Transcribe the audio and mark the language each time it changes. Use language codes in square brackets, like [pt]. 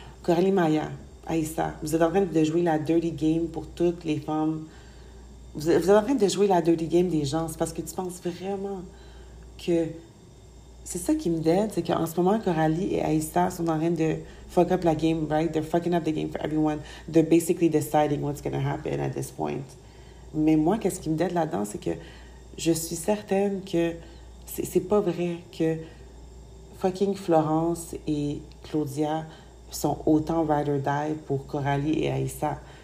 [fr] Coralie Maya, Aïssa, vous êtes en train de jouer la dirty game pour toutes les femmes. Vous êtes en train de jouer la dirty game des gens. C'est parce que tu penses vraiment que... C'est ça qui me dead, c'est qu'en ce moment, Coralie et Aïssa sont en train de fuck up la game, right? [en] They're fucking up the game for everyone. They're basically deciding what's gonna happen at this point. [fr] Mais moi, qu'est-ce qui me dead là-dedans, c'est que je suis certaine que c'est pas vrai que fucking Florence et Claudia sont autant ride or die pour Coralie et Aïssa.